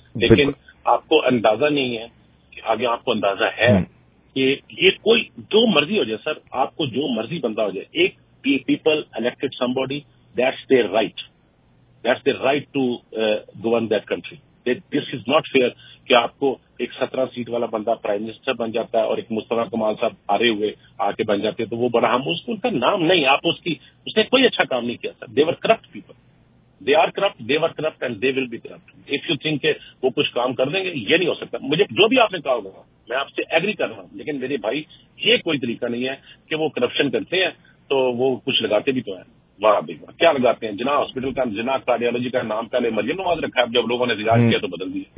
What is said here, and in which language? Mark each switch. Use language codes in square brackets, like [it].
[ur] لیکن آپ کو اندازہ نہیں ہے کہ آگے آپ کو اندازہ ہے کہ یہ کوئی جو مرضی ہو جائے سر, آپ کو جو مرضی بندہ ہو جائے, [en] ایک people elected some body, that's their right to govern that country. This is not fair [ur] کہ آپ کو ایک 17 سیٹ والا بندہ پرائم منسٹر بن جاتا ہے اور ایک مصطفیٰ کمال صاحب ہارے ہوئے آ کے بن جاتے ہیں, تو وہ بڑا ہم اس کا نام نہیں, آپ اس نے کوئی اچھا کام نہیں کیا سر. [en] They are corrupt and they will be corrupt. If you think [ur] کہ وہ کچھ کام کر دیں گے, یہ نہیں ہو سکتا. مجھے جو بھی آپ نے کہا ہوگا میں آپ سے ایگری کر رہا ہوں, لیکن میرے بھائی یہ کوئی طریقہ نہیں ہے کہ وہ کرپشن کرتے ہیں تو وہ کچھ لگاتے بھی تو ہیں. وہاں بھی کیا لگاتے ہیں, جناح ہاسپٹل کا, جناح کارڈیالوجی کا نام پہلے مریم نواز رکھا ہے, جب لوگوں نے ریزائن کیا تو بدل دیے.